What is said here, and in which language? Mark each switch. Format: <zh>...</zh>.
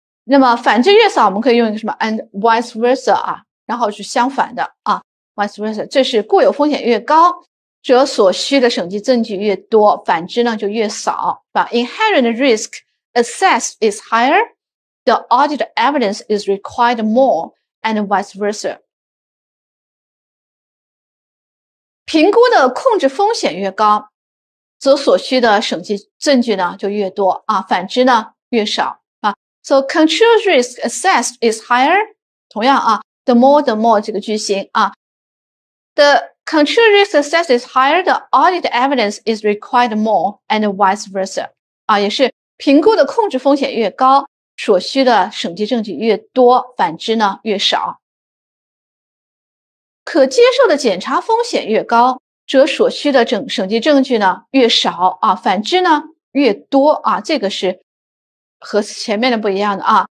<zh>那么反之越少，我们可以用一个什么 and vice versa 啊，然后是相反的啊 vice versa， 这是固有风险越高，则所需的审计证据越多，反之呢就越少是吧 ？ Inherent risk assessed is higher。</zh> <en>The audit evidence is required more and vice versa.</en> <zh>评估的控制风险越高，则所需的审计证据呢就越多啊，反之呢越少啊。</zh> <en>So control risk assessed is higher. 同样啊 ,the more 这个句型啊。 The control risk assessed is higher, the audit evidence is required more and vice versa.</en> <zh>啊也是评估的控制风险越高所需的审计证据越多，反之呢越少。可接受的检查风险越高，则所需的审计证据呢越少啊，反之呢越多啊，这个是和前面的不一样的啊。</zh>